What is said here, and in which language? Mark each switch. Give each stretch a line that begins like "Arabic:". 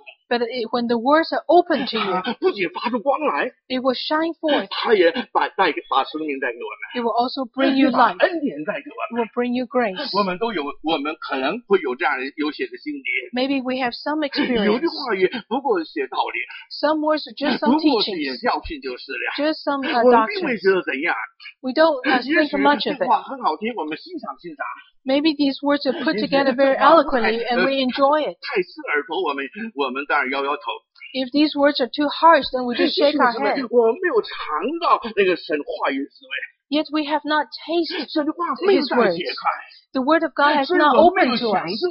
English: But it, when the words are open to you,
Chinese: 它不仅发出光来,
English: it will shine forth.
Chinese: 它也把, 带, 把生命带给我们,
English: it will also bring you life.
Chinese: 恩典带给我们,
English: it will bring you grace.
Chinese: 我们都有, 我们可能会有这样有些的经历。
English: Maybe we have some experience.
Chinese: 有的话语不过是些道理。
English: Some words are just some teachings.
Chinese: 不过是些教训就是了。
English: Just some doctrines.
Chinese: 我们并没觉得怎样。
English: We don't think much of it.
Chinese: 也许这话很好听，我们欣赏欣赏。
English: Maybe these words are put together very eloquently and we enjoy it.
Chinese: 太刺耳朵，我们当然摇摇头。
English: If these words are too harsh, then we just shake our head.
Chinese: 我们没有尝到那个神话语滋味。
English: Yet we have not tasted these words. The word of God has not opened to us.